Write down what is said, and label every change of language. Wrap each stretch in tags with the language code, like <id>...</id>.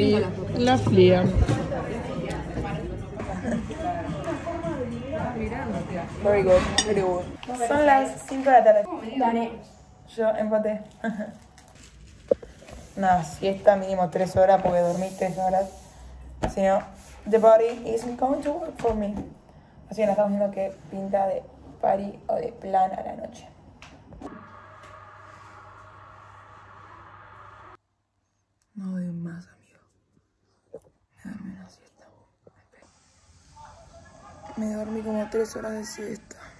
<es>y la fría.</es> <en>Very good, very good.</en> <es>Son las 5 de la tarde. Yo empaté. Una siesta mínimo 3 horas porque dormí 3 horas. Si no,</es> <en>the body isn't going to work for me.</en> <es>Así que nos estamos viendo qué pinta de party o de plan a la noche. No doy más, amigo. Me dormí una siesta. Me dormí como 3 horas de siesta.</es>